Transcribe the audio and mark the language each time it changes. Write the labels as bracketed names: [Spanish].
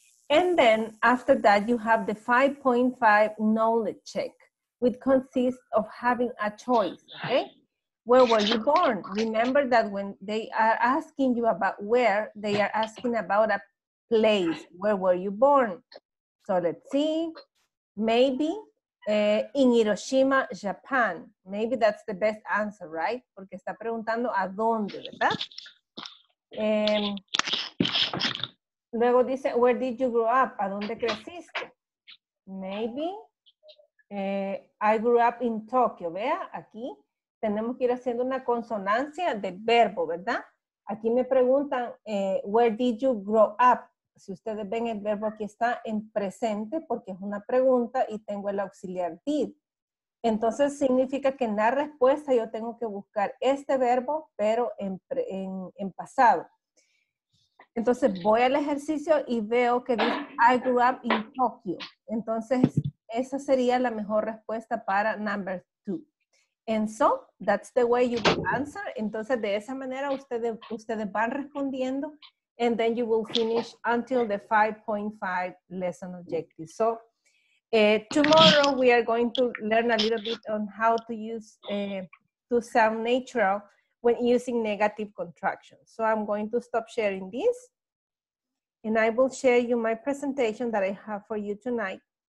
[English] And then after that, you have the 5.5 knowledge check, which consists of having a choice, okay? Where were you born? Remember that when they are asking you about where, they are asking about a place. Where were you born? So let's see. Maybe in Hiroshima, Japan. Maybe that's the best answer, right? [Spanish] Porque está preguntando a dónde, ¿verdad? Luego dice, [English] where did you grow up? [Spanish] ¿A dónde creciste? [English] Maybe I grew up in Tokyo. [Spanish] Vea, aquí tenemos que ir haciendo una consonancia de verbo, ¿verdad? Aquí me preguntan, [English] where did you grow up? [Spanish] Si ustedes ven el verbo aquí está en presente porque es una pregunta y tengo el auxiliar did. Entonces significa que en la respuesta yo tengo que buscar este verbo, pero en pasado. Entonces voy al ejercicio y veo que dice [English] I grew up in Tokyo. [Spanish] Entonces esa sería la mejor respuesta para [English] number 2. And so that's the way you will answer. [Spanish] Entonces de esa manera ustedes van respondiendo. [English] And then you will finish until the 5.5 lesson objective. So tomorrow we are going to learn a little bit on how to use to sound natural when using negative contractions. So I'm going to stop sharing this and I will share you my presentation that I have for you tonight.